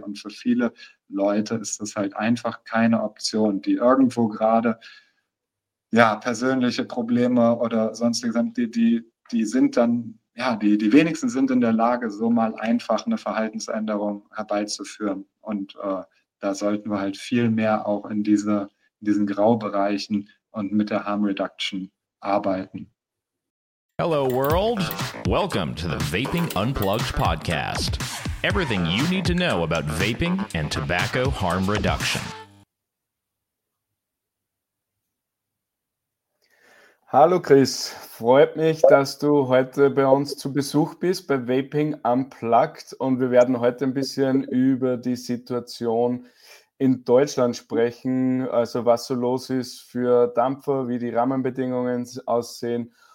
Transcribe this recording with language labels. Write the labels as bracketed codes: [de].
[de] Und für viele Leute ist das halt einfach keine Option, die irgendwo gerade ja persönliche Probleme oder sonstiges, die sind dann, ja, die wenigsten sind in der Lage, so mal einfach eine Verhaltensänderung herbeizuführen. Und da sollten wir halt viel mehr auch in diesen Graubereichen und mit der Harm Reduction arbeiten. [en] Hello world, welcome to the Vaping Unplugged podcast. Everything you need to know about vaping and tobacco harm reduction. [de] Hallo Chris, freut mich, dass du heute bei uns zu Besuch bist bei Vaping Unplugged und wir werden heute ein bisschen über die Situation in Deutschland sprechen, also was so los ist für Dampfer, wie die Rahmenbedingungen aussehen.